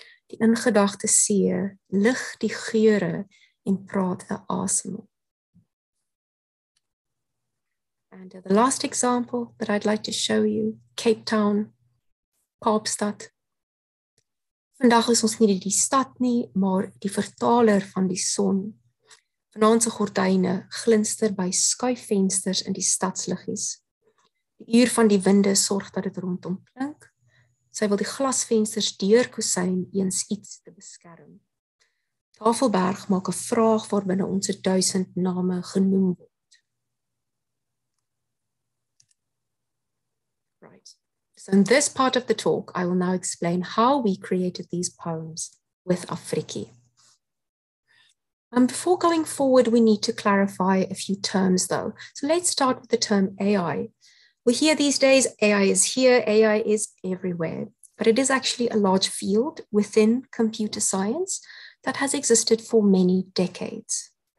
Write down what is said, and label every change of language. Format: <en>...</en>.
<af>Die ingedagte see lig die geure en praat 'n asem.</af> <en>And the last example that I'd like to show you, Cape Town, Kaapstad.</en> <af>Vandag is ons nie die stad nie, maar die vertaler van die son. Vanaand se gordyne glinster by skuifvensters in die stadsliggies. Die uur van die winde sorg dat dit rondom klink. Sy wil die glasvensters deur kusyn eens iets te beskerm. Tafelberg maak 'n vraag waarbinne ons 1000 name genoem word.</af> <en>So in this part of the talk, I will now explain how we created these poems with AfriKI. Before going forward, we need to clarify a few terms though. So let's start with the term AI. We hear these days, AI is here, AI is everywhere, but it is actually a large field within computer science that has existed for many decades.</en>